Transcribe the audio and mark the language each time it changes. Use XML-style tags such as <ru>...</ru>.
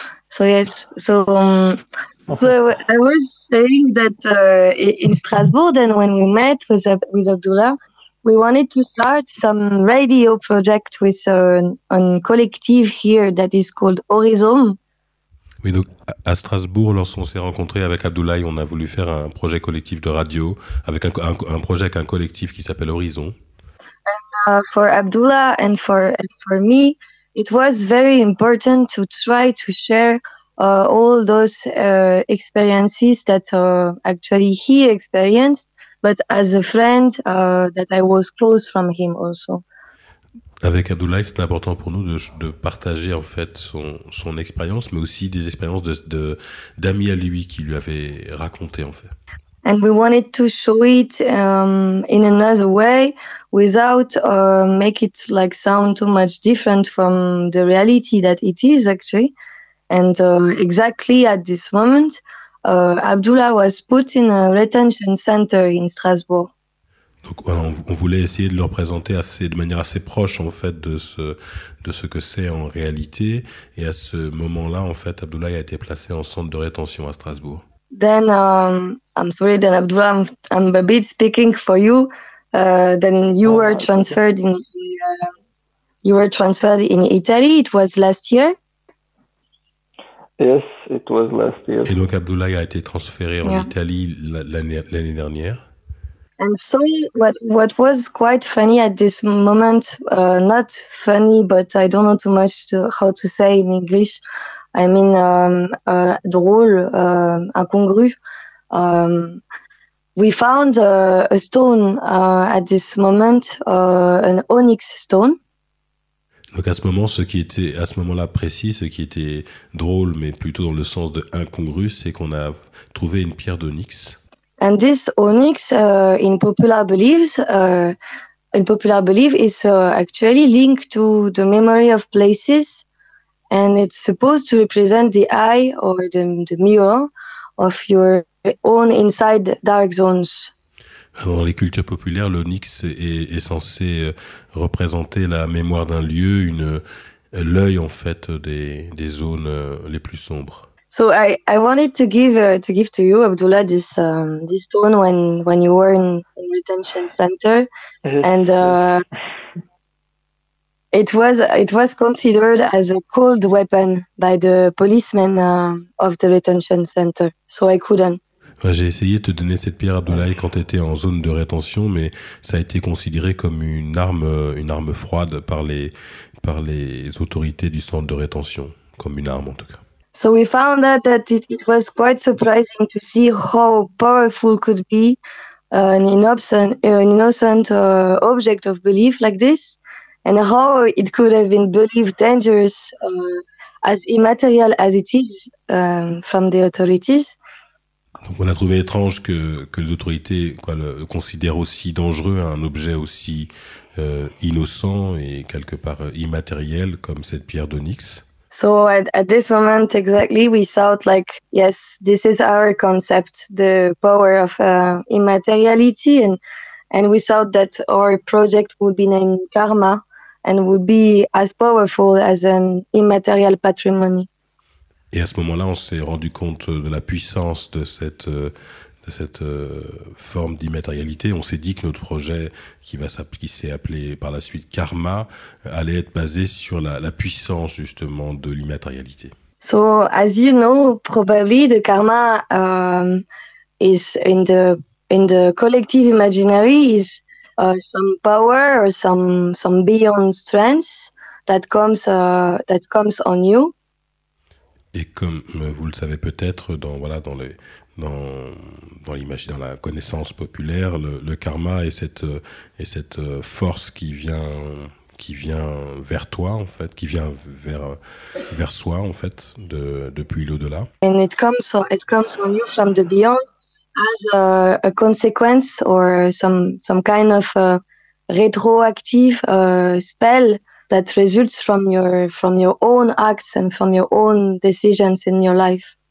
<en>So yes, so so I was saying that in Strasbourg, then when we met with Abdullah, we wanted to start some radio project with a collective here that is called Horizon.</en> <fr>Oui, donc à Strasbourg, lorsqu'on s'est rencontré avec Abdoulaye, on a voulu faire un projet collectif de radio avec un projet avec un collectif qui s'appelle Horizon.</fr> <en>And, for Abdullah and for me, it was very important to try to share all those experiences that actually he experienced. But as a friend, that I was close from him also.</en> <fr>Avec Abdoulaye, c'est important pour nous de partager en fait son expérience, mais aussi des expériences de d'amis à lui qui lui avaient raconté en fait.</fr> <en>And we wanted to show it in another way, without make it like sound too much different from the reality that it is actually. And exactly at this moment. Abdullah was put in a retention center in Strasbourg.</en> <fr>Donc on voulait essayer de le représenter assez, de manière assez proche en fait de ce que c'est en réalité, et à ce moment-là en fait Abdullah a été placé en centre de rétention à Strasbourg.</fr> <en>Then I'm sorry, then Abdullah, I'm a bit speaking for you. Then you were transferred in you were transferred in Italy. It was last year. Yes, it was last year.</en> <fr>Et donc Abdullah a été transféré en Italie l'année dernière.</fr> <en>And so what was quite funny at this moment, not funny, but I don't know too much how to say in English. I mean,</en> <fr>drôle, incongru.</fr> <en>We found a stone at this moment, an onyx stone.</en> <fr>Donc à ce moment-là précis, ce qui était drôle, mais plutôt dans le sens de incongru, c'est qu'on a trouvé une pierre d'onyx.</fr> <en>And this onyx, in popular belief, is actually linked to the memory of places, and it's supposed to represent the eye or the mirror of your own inside dark zones.</en> <fr>Dans les cultures populaires, l'onyx est censé représenter la mémoire d'un lieu, l'œil en fait des zones les plus sombres.</fr> <en>So I wanted to give to you, Abdullah, this stone when you were in retention center, and it was considered as a cold weapon by the policemen of the retention center, so I couldn't.</en> <fr>J'ai essayé de te donner cette pierre, Abdoulaye, quand tu étais en zone de rétention, mais ça a été considéré comme une arme froide par les autorités du centre de rétention, comme une arme en tout cas.</fr> <en>So we found that it was quite surprising to see how powerful could be an innocent object of belief like this, and how it could have been believed dangerous as immaterial as it is from the authorities.</en> <fr>Donc on a trouvé étrange que les autorités le considèrent aussi dangereux, un objet aussi innocent et quelque part immatériel comme cette pierre d'onyx.</fr> <en>So at this moment exactly, we thought like, yes, this is our concept, the power of immateriality. And we thought that our project would be named Karma and would be as powerful as an immaterial patrimony.</en> <fr>Et à ce moment-là, on s'est rendu compte de la puissance de cette forme d'immatérialité. On s'est dit que notre projet, qui s'est appelé par la suite Karma, allait être basé sur la puissance justement de l'immatérialité.</fr> <en>So as you know, probably the Karma is in the collective imaginary is some power or some beyond strength that comes on you.</en> <fr>Et comme vous le savez peut-être, dans la connaissance populaire, le karma est cette force qui vient vers toi en fait, qui vient vers soi en fait, depuis l'au-delà.</fr> <en>And it comes on you from the beyond as a consequence or some kind of retroactive spell that results from your own acts and from your own decisions in your life.</en>